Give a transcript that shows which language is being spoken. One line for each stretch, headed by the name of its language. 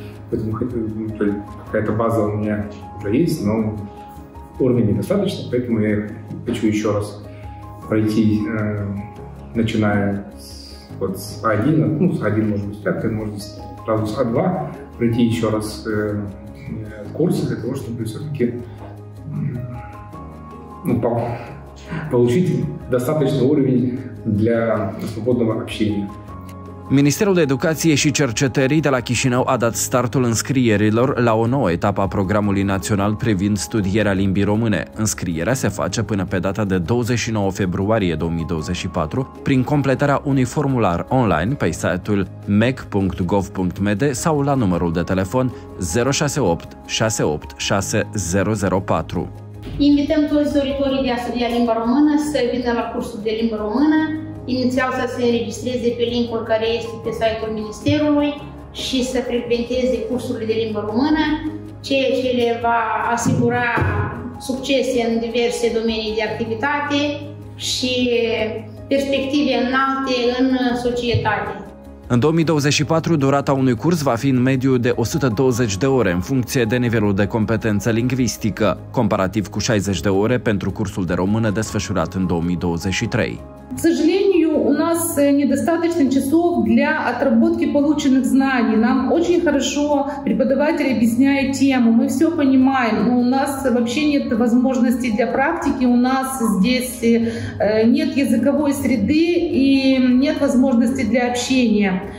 Russian: Поэтому какая-то база у меня уже есть, но уровень недостаточно, поэтому я хочу еще раз пройти, начиная с А1, ну, с А1 может быть 5, может быть сразу с А2, пройти еще раз курсы для того, чтобы все-таки получить достаточный уровень для свободного общения.
Romanian: Ministerul Educației și Cercetării de la Chișinău a dat startul înscrierilor la o nouă etapă a programului național privind studierea limbii române. Înscrierea se face până pe data de 29 februarie 2024 prin completarea unui formular online pe site-ul mec.gov.md sau la numărul de telefon 068 686 004. Invităm toți doritorii de a studia limba română să vină la cursul de limba română. Inițial să se înregistreze pe linkul care este pe site-ul Ministerului și să frecventeze cursurile de limbă română, ceea ce le va asigura succese în diverse domenii de activitate și perspective înalte în societate. În 2024, durata unui curs va fi în mediu de 120 de ore în funcție de nivelul de competență lingvistică, comparativ cu 60 de ore pentru cursul de română desfășurat în 2023.
Russian: К сожалению, у нас недостаточно часов для отработки полученных знаний. Нам очень хорошо преподаватель объясняет тему, мы все понимаем, но у нас вообще нет возможности для практики, у нас здесь нет языковой среды и нет возможности для общения.